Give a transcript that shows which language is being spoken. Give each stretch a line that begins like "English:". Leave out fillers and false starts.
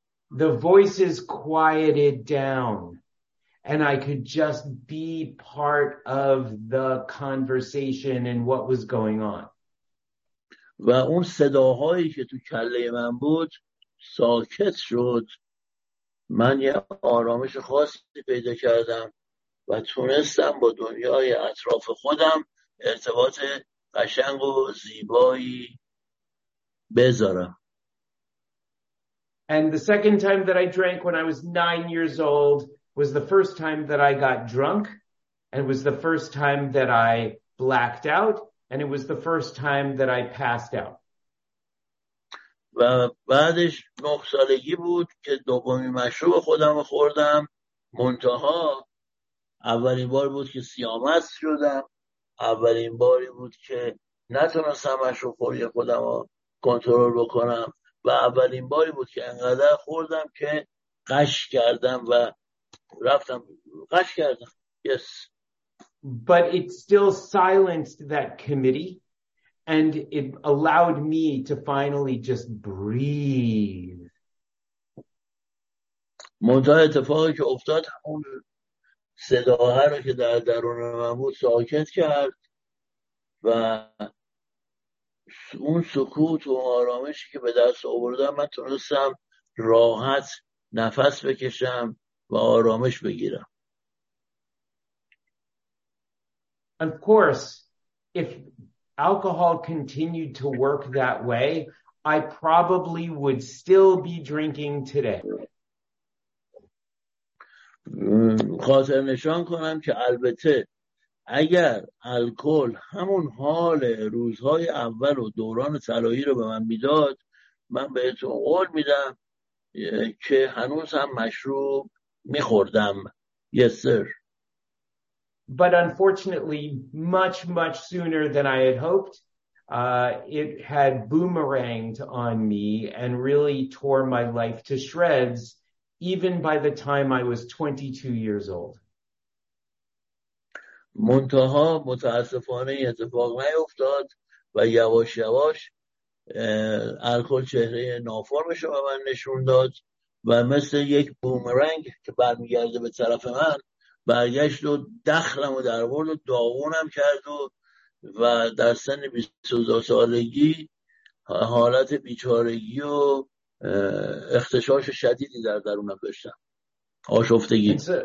English: The voices quieted down and I could just be part of the conversation and what was going on.
Persian: و اون صداهایی که تو کله من بود ساکت شد، من یه آرامش خاصی پیدا کردم و تونستم با دنیای اطراف خودم ارتباط قشنگ و زیبایی بذارم.
English: And the second time that I drank when I was 9 years old was the first time that I got drunk, and was the first time that I blacked out, and it was the first time that I passed out.
Persian: و بعدش 9 سالگی بود که دومین مشروب خودم رو خوردم، منتها اولین بار بود که سیامست شدم، اولین باری بود که نتونستم مشروب خوری خودم رو کنترل بکنم و اولین باری بود که انقدر خوردم که قش کردم و رفتم قش کردم.
English: Yes. But it still silenced that committee. And it allowed me to finally just breathe.
Persian: منتهی اتفاقی که افتاد اون صداها رو که در درون من بود ساکت کرد و اون سکوت و آرامشی که به دست آوردم من تونستم راحت نفس بکشم و آرامش بگیرم.
English: Of course, if alcohol continued to work that way, I probably would still be drinking today.
Persian: خاطر نشان کنم که البته اگر الکل همون حال روزهای اول و دوران طلایی رو به من میداد، من بهتون قول میدم که هنوز هم مشروب میخوردم.
English: Yes, sir. But unfortunately, much, much sooner than I had hoped, it had boomeranged on me and really tore my life to shreds, even by the time I was 22 years old.
Persian: منتها متاسفانه این اتفاق نیفتاد و یواش یواش الکل چهره نافرمش رو به من نشون داد و مثل یک بومرنگ که برمیگرده به طرف من برگشت و دخلم و درورد و داغونم کرد و در سن 22 سالگی حالت بیچارگی و اختشاش شدیدی در درونم داشتم، آشفتگی.